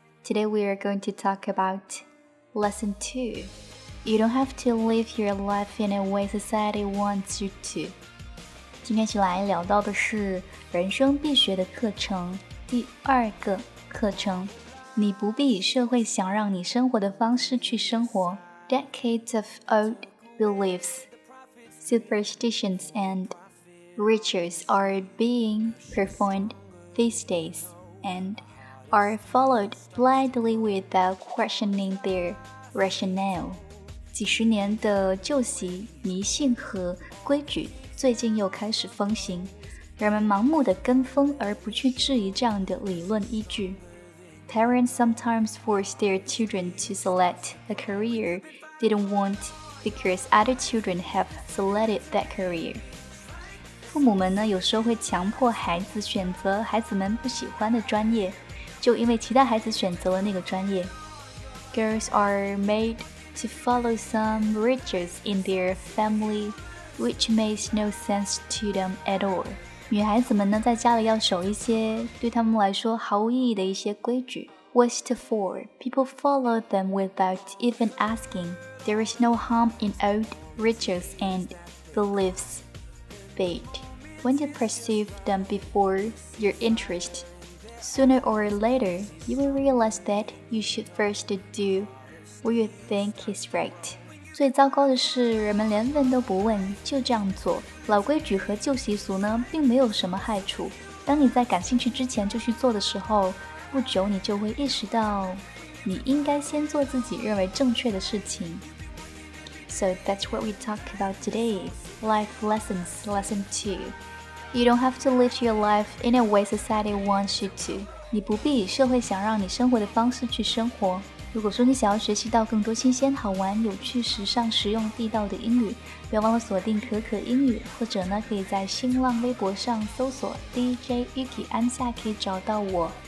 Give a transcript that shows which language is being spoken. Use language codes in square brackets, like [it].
[en] Today we are going to talk about lesson 2. You don't have to live your life in a way society wants you to. [zh] 今天起来聊到的是人生必学的课程第二个课程。你不必以社会想让你生活的方式去生活。 [en] Decades of old beliefs, superstitions and rituals are being performed these days and are followed blindly without questioning their rationale. [zh] 几十年的旧习、迷信和规矩最近又开始风行，人们盲目地跟风而不去质疑这样的理论依据。 [en] Parents sometimes force their children to select a career they don't want because other children have selected that career. [zh] 父母们呢，有时候会强迫孩子选择孩子们不喜欢的专业，就因为其他孩子选择了那个专业。 [en] Girls are made to follow some rituals in their family, which makes no sense to them at all. [zh] 女孩子们呢，在家里要守一些对她们来说毫无意义的一些规矩。 [en] What for? People follow them without even asking. There is no harm in old rituals and beliefs. But when you perceive them before your interest, sooner or later, you will realize that you should first do what you think is right. [zh] 最糟糕的是人们连问都不问就这样做。老规矩和旧习俗呢并没有什么害处。当你在感兴趣之前就去做的时候，不久你就会意识到你应该先做自己认为正确的事情。 [en] So that's what we talk about today. Life lessons, lesson 2. You don't have to live your life in a way society wants you to. [zh] 你不必以社会想让你生活的方式去生活。如果说你想要学习到更多新鲜、好玩、有趣、时尚、实用、地道的英语，不要忘了锁定可可英语，或者呢，可以在新浪微博上搜索 DJ Yuki 安夏，可以找到我。